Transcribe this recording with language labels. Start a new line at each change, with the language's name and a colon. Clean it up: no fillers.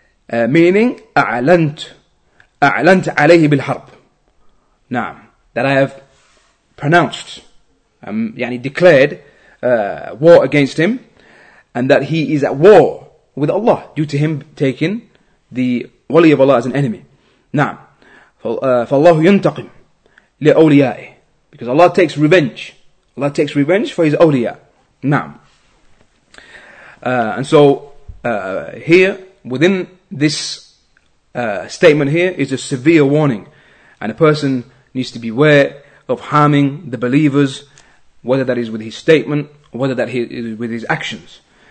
English: Meaning,
Arabic: أعلنت عليه بالحرب.
English: نعم, that I have pronounced, declared war against him, and that he is at war with Allah due to him taking the wali of Allah as an enemy. نعم,
Arabic: فالله ينتقم لأوليائه,
English: because Allah takes revenge. Allah takes revenge for his awliya. نعم, and so here within this statement here is a severe warning, and a person needs to beware of harming the believers, whether that is with his statement or whether that is with his actions.